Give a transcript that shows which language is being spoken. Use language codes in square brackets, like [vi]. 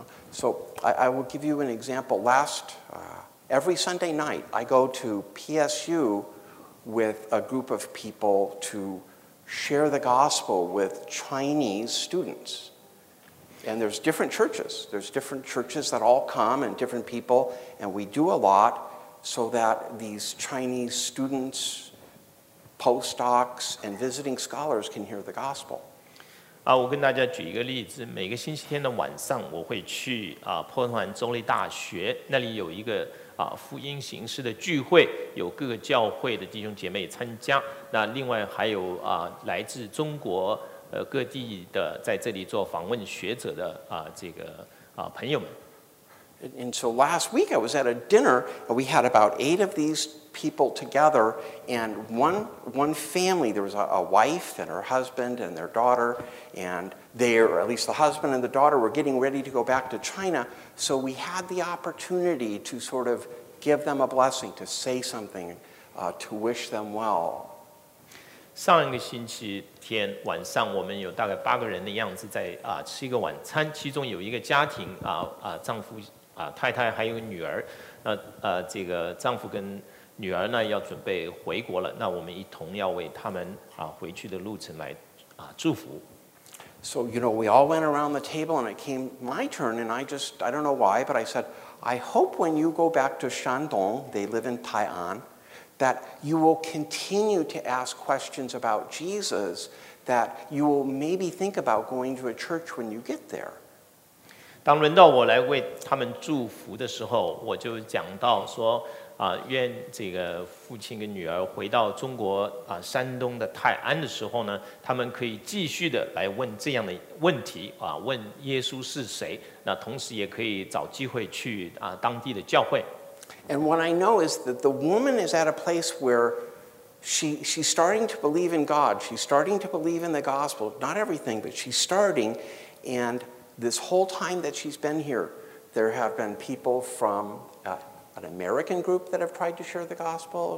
[en] So I will give you an example. Last every Sunday night I go to PSU with a group of people to share the gospel with Chinese students. And there's different churches. There's different churches that all come and different people. And we do a lot so that these Chinese students, postdocs, and visiting scholars can hear the gospel. [zh] 我跟大家举一个例子。每个星期天的晚上我会去波特兰州立大学，那里有一个福音形式的聚会，有各个教会的弟兄姐妹参加。那另外还有来自中国各地的在这里做访问学者的这个朋友们。 [en] And so last week I was at a dinner, and we had about 8 of these people together, and one family, there was a wife and her husband and their daughter, and they, or at least the husband and the daughter, were getting ready to go back to China, so we had the opportunity to sort of give them a blessing, to say something, to wish them well. [zh] 上一个星期天晚上我们有大概8个人的样子在吃一个晚餐，其中有一个家庭丈夫太太还有女儿，那这个丈夫跟女儿呢要准备回国了，那我们一同要为他们回去的路程来祝福。 [en] So you know, we all went around the table and it came my turn, and I don't know why, but I said, I hope when you go back to Shandong, they live in Tai'an,that you will continue to ask questions about Jesus, that you will maybe think about going to a church when you get there. [zh] 当轮到我来为他们祝福的时候，我就讲到说，愿这个父亲跟女儿回到中国山东的泰安的时候呢，他们可以继续的来问这样的问题问耶稣是谁，那同时也可以找机会去当地的教会。 [en] And what I know is that the woman is at a place where she's starting to believe in God. She's starting to believe in the gospel. Not everything, but she's starting. And this whole time that she's been here, there have been people from an American group that have tried to share the gospel.